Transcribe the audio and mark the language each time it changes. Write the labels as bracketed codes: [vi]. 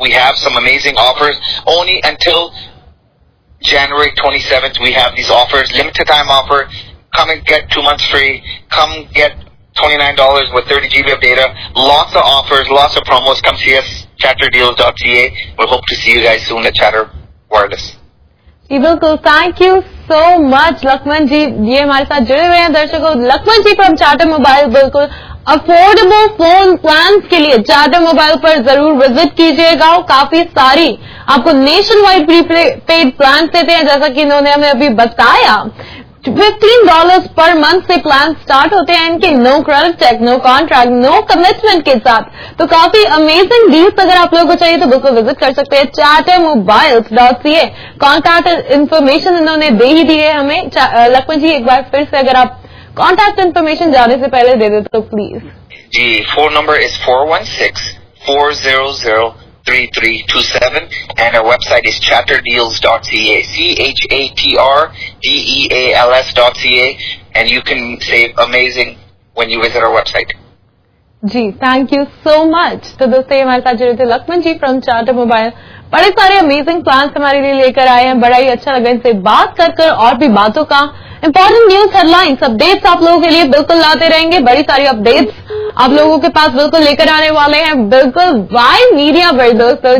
[en] We have some amazing offers only until January 27th. We have these offers, limited time offer. Come and get 2 months free. Come get $29 with 30 GB of data. Lots of offers, lots of promos. Come see us, chatterdeals.ca. We'll hope to see you guys soon at Chatter Wireless. [hi] बिल्कुल, thank you so much Lakhman जी. ये हमारे साथ जुड़े हुए हैं दर्शकों. लखमन जी from charter mobile, बिल्कुल affordable phone plan के लिए चार्टर मोबाइल पर जरूर विजिट कीजिएगा. काफी सारी आपको नेशन वाइड प्रीपेड प्लान देते हैं, जैसा कि इन्होंने हमें अभी बताया. $15 पर मंथ से प्लान स्टार्ट होते हैं इनके, no credit check, no contract, no commitment के साथ. तो काफी अमेजिंग डील्स अगर आप लोगों को चाहिए तो बिल्कुल विजिट कर सकते हैं chattermobiles.ca. कॉन्टैक्ट इन्फॉर्मेशन इन्होंने दे ही दी है हमें. लखमन जी एक बार फिर से अगर आप कॉन्टैक्ट इन्फॉर्मेशन जाने से पहले दे दे तो please. [en] जी, phone number is 416-400-3327, and our website is chatterdeals.ca, chatterdeals.ca, and you can save amazing when you visit our website. जी, thank you so much. [hi] तो दोस्तों, हमारे साथ जुड़े थे लखमन जी फ्रॉम चार्टर मोबाइल. बड़े सारे अमेजिंग प्लान हमारे लिए लेकर आए हैं. बड़ा ही अच्छा लगा इनसे बात कर और भी बातों का. इम्पोर्टेंट न्यूज हेडलाइंस, अपडेट्स आप लोगों के लिए बिल्कुल लाते रहेंगे. बड़ी सारी अपडेट्स आप लोगों के पास बिल्कुल लेकर आने वाले हैं, बिल्कुल वाई मीडिया पर दोस्तों.